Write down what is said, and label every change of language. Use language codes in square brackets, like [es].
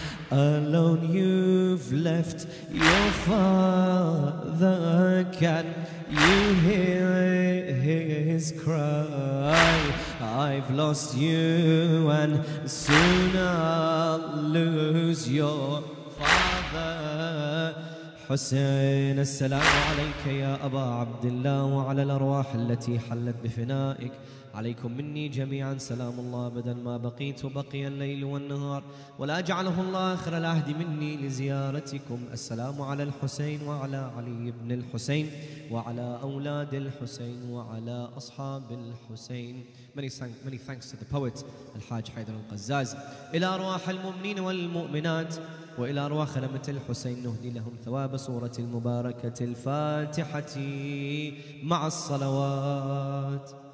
[en] Alone you've left your father. Can you hear his cry? I've lost you and soon I'll lose your father. [ar] حسين السلام عليك يا أبا عبد الله وعلى الأرواح التي حلت بفنائك عليكم مني جميعا سلام الله أبدا ما بقيت وبقي الليل والنهار ولا أجعله الله آخر العهد مني لزيارتكم السلام على الحسين وعلى علي بن الحسين وعلى أولاد الحسين وعلى أصحاب الحسين. [en] Many thanks to the poet الحاج حيدر القزاز. [ar] إلى أرواح المؤمنين والمؤمنات وإلى أرواح لمة الحسين نهدي لهم ثواب سورة المباركة الفاتحة مع الصلوات.